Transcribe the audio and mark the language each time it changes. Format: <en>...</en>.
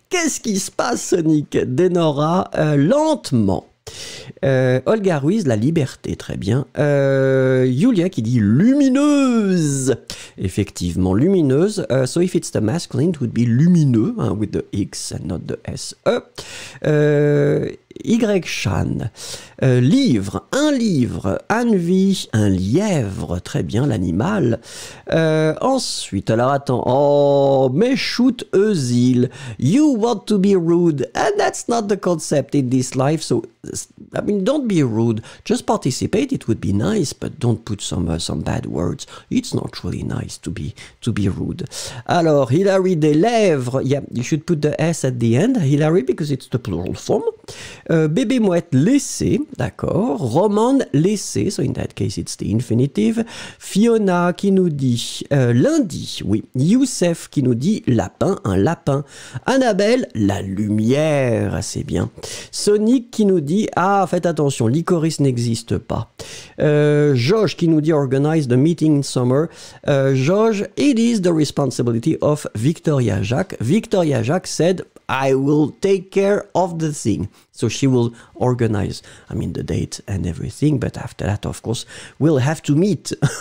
<fr>Qu'est-ce qui se passe, Sonic? Denora, lentement. Olga Ruiz, la liberté, très bien. Julia qui dit lumineuse. Effectivement, lumineuse.</fr> <en>So if it's the masculine, it would be lumineux, hein, with the X and not the SE.</en> <fr>Y-Chan. Livre, un livre, Anvi, un lièvre, très bien, l'animal. Ensuite, alors attends,</fr> <en>oh, Meshut Özil, you want to be rude, and that's not the concept in this life, so, I mean, don't be rude, just participate, it would be nice, but don't put some bad words, it's not really nice to be rude. Alors, Hilary des lèvres, yeah, you should put the S at the end, Hilary, because it's the plural form.</en> <fr>Bébé mouette laissé, d'accord.</fr> <en>Roman laissé, so in that case it's the infinitive.</en> <fr>Fiona qui nous dit lundi, oui. Youssef qui nous dit lapin, un lapin. Annabelle, la lumière, assez bien. Sonic qui nous dit, ah, faites attention, l'icoris n'existe pas.</fr> <en>Josh</en> <fr>qui nous dit,</fr> <en>organize the meeting in summer. Josh, it is the responsibility of Victoria Jacques. Victoria Jacques said, I will take care of the thing. So she will organize, I mean, the date and everything. But after that, of course, we'll have to meet.</en>